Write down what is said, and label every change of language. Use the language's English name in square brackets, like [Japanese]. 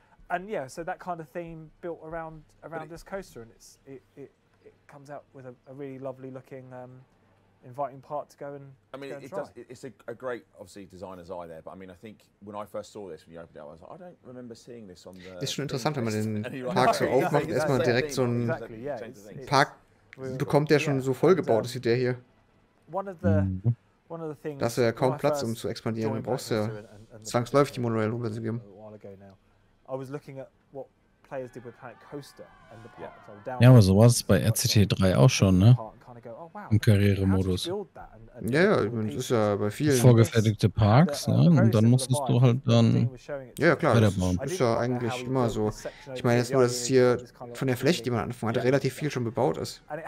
[English] And yeah, so that kind of theme built around this coaster, and it comes out with a really lovely looking inviting part to go and. I mean, it does. It's a great, obviously, designer's eye there. But I mean, I think when I first saw this, when you opened it, I was like, I don't remember seeing this on the. [German] Ist schon interessant, wenn man den Park so aufmacht, erstmal direkt so ein Park bekommt, der schon so vollgebaut ist wie der hier. [English] One of the things. [German] Das ist ja kaum Platz, um zu expandieren. Du brauchst ja zwangsläufig die Monorail, um zu geben. [English] I was looking at what players did with Planet Coaster. [German] Ja, aber so war es bei RCT 3 auch schon, ne? Im Karrieremodus. Ja, das ist ja bei vielen. Vorgefertigte Parks, ne? Und dann musstest du halt dann. Ja, klar, das ist ja eigentlich immer so. Ich meine jetzt nur, dass es hier von der Fläche, die man anfangen hatte, relativ viel schon bebaut ist.